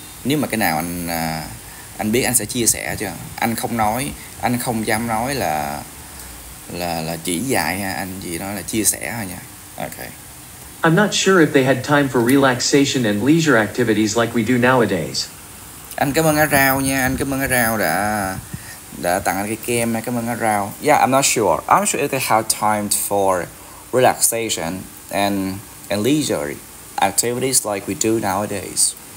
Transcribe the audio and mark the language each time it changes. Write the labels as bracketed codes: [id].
[vi] Nếu mà cái nào anh biết anh sẽ chia sẻ cho. Anh không dám nói là chỉ dạy ha, anh chỉ nói là chia sẻ thôi nha. Okay. [en] I'm not sure if they had time for relaxation and leisure activities like we do nowadays. [vi] Anh cảm ơn A Rao nha, anh cảm ơn A Rao đã tặng anh cái kem nha, cảm ơn A Rao. [en] Yeah, I'm not sure. I'm not sure if they had time for relaxation and leisure activities like we do nowadays.